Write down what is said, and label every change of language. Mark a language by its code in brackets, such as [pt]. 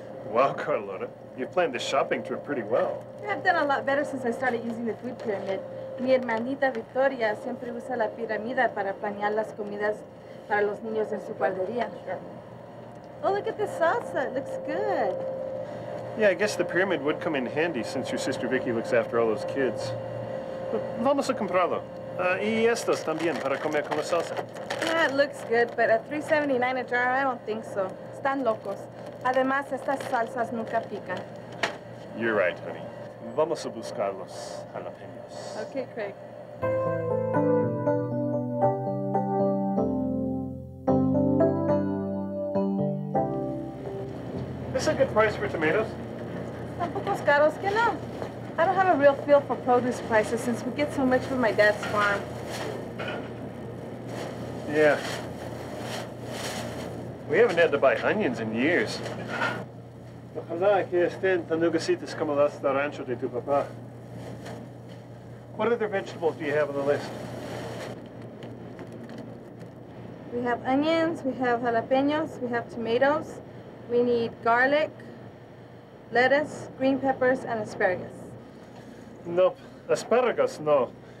[en] Wow, Carlota, you've planned this shopping trip pretty well. Yeah, I've done a lot better since I started using the food pyramid. [es] Mi hermanita Victoria siempre usa la piramida para planear las comidas para los niños en su guardería. [en] Oh, look at the salsa. It looks good. Yeah, I guess the pyramid would come in handy since your sister Vicky looks after all those kids. [es] Vamos a comprarlo. Y estos también para comer con la salsa. [en] Yeah, it looks good, but at $3.79 a jar, I don't think so. [es] Están locos. Además, estas salsas nunca pican. [en] You're right, honey. [es] Vamos a buscar los jalapenos. [en] Okay, Craig. Is a good price for tomatoes? [es] Tampoco es caro, que no. [en] I don't have a real feel for produce prices since we get so much from my dad's farm. Yeah. We haven't had to buy onions in years. [es] Ojalá que estén tan lucasitas como las de rancho de tu papá. [en] What other vegetables do you have on the list? We have onions, we have jalapenos, we have tomatoes. We need garlic, lettuce, green peppers, and asparagus. Nope. Asparagus, no.